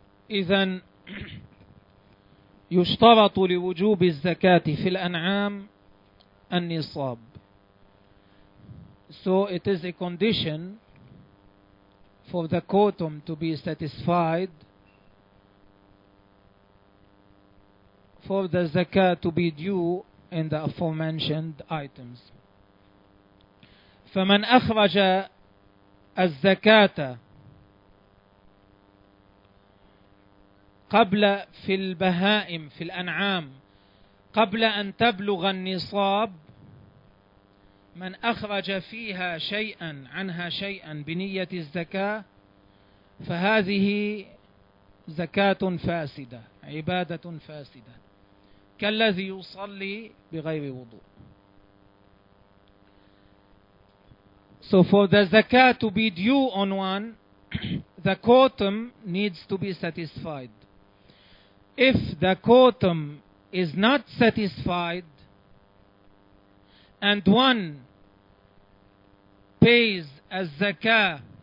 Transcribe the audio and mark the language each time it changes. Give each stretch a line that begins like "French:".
Arabic: إذن يشترط لوجوب الزكاة في الأنعام النصاب.
English: So it is a condition for the quotum to be satisfied for the zakah to be due in the aforementioned items.
Arabic: فمن أخرج الزكاة قبل في البهائم في الأنعام قبل أن تبلغ النصاب من أخرج فيها شيئا عنها شيئا بنية الزكاة فهذه زكاة فاسدة عبادة فاسدة كالذي يصلي بغير وضوء.
English: So for the zakah to be due on one, the quotum needs to be satisfied. If the quotum is not satisfied and one pays a zakah